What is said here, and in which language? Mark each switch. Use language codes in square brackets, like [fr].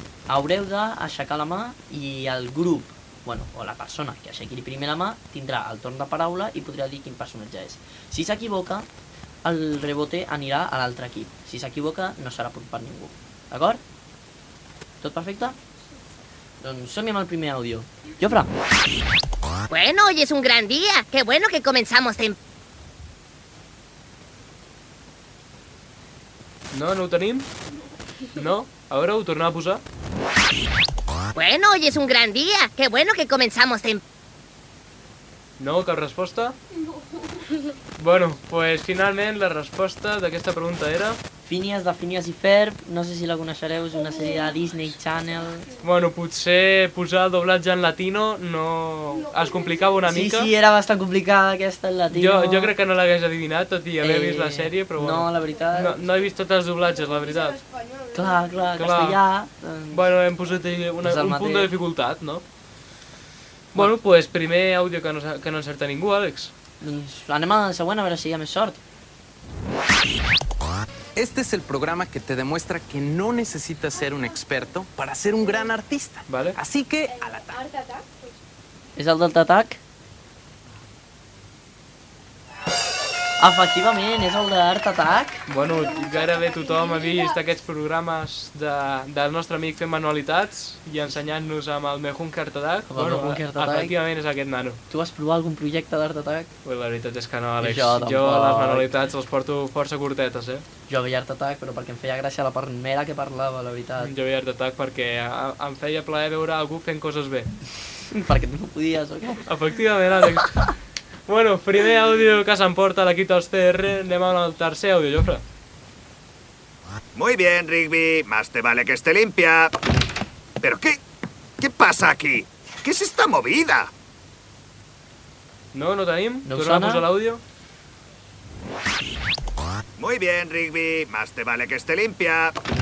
[ca] Haureu d'aixecar la mà i el grup, bueno, o la persona que aixequi primer la mà, tindrà el torn de paraula i podrà dir quin personatge és. Si s'equivoca, el rebote anirà a l'altre equip. Si s'equivoca, no serà punt per ningú. D'acord? Tot perfecte? Doncs som-hi amb el primer àudio. Jofre! [es] Bueno, hoy es un gran día. Qué bueno que comenzamos en... [ca] No, no ho tenim? No? A veure, ho tornem a posar. [es] Bueno, hoy es un gran día. Qué bueno que comenzamos en... [ca] No, cap resposta? Bueno, pues finalment la resposta d'aquesta pregunta era... Phineas de Phineas i Ferb, no sé si la coneixereu, és una sèrie de Disney Channel... Bueno, potser posar el doblatge en latino no... es complicava una mica. Sí, era bastant complicada aquesta en latino. Jo crec que no l'hagués adivinat, tot i haver vist la sèrie, però bueno. No, la veritat... No he vist tots els doblatges, la veritat. Clar, clar, clar. Castellà... Doncs... Bueno, hem posat un punt de dificultat, no? Bueno, doncs pues, primer àudio que no encerta ningú, Àlex. Doncs anem a la següent a veure si hi ha més sort. [es] Este es el programa que te demuestra que no necesitas ser un experto para ser un gran artista. [ca] Vale. [es] Así que, al ataque. ¿Es el Delta Attack? [ca] Efectivament, és el d'Art Attack. Bueno, gairebé tothom ha vist aquests programes del nostre amic fent manualitats i ensenyant-nos amb el Mejunque Art Attack. Efectivament, és aquest nano. Tu vas provar algun projecte d'Art Attack? Ui, la veritat és que no, Àlex. Jo les manualitats les porto força curtetes, eh? Jo veia Art Attack, però perquè em feia gràcia la primera que parlava, la veritat. Jo veia Art Attack perquè em feia plaer veure algú fent coses bé. Perquè tu no podies, o què? Efectivament, Àlex. Bueno, primer audio que s'emporta l'equip dels CR, anem amb el tercer audio, Jofre. [es] Muy bien, Rigby, más te vale que esté limpia. Pero qué... ¿qué pasa aquí? ¿Qué es esta movida? [ca] No, no tenim. No sona. Tornamos a l'audio. [es] Muy bien, Rigby, más te vale que esté limpia.